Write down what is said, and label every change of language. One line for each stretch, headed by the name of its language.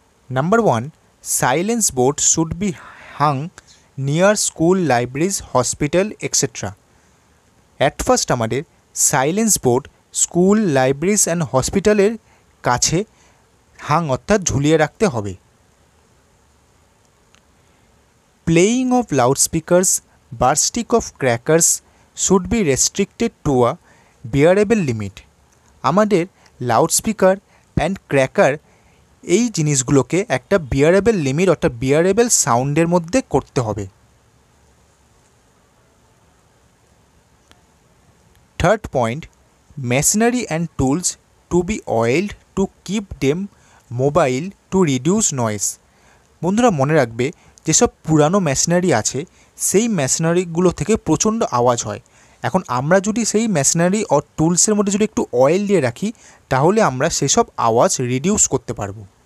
English: Number one, silence board should be hung near school, libraries, hospital etcetera. At first
Bangla: আমাদের silence board school, libraries and হসপিটালের কাছে hang অর্থাৎ ঝুলিয়ে রাখতে হবে.
English: Playing of loudspeakers, bursting of crackers should be restricted to a bearable limit.
Bangla: আমাদের
English: loudspeaker and cracker
Bangla: এই জিনিসগুলোকে একটা bearable limit অর্থাৎ bearable সাউন্ডের মধ্যে করতে হবে.
English: Third point, machinery and tools to be oiled to keep them mobile to reduce noise.
Bangla: বন্ধুরা মনে রাখবে যেসব পুরানো মেশিনারি আছে সেই মেশিনারিগুলো থেকে প্রচণ্ড আওয়াজ হয়। এখন আমরা যদি সেই মেশিনারি ও টুলসের মধ্যে যদি একটু অয়েল দিয়ে রাখি তাহলে আমরা সেসব আওয়াজ রিডিউস করতে পারব।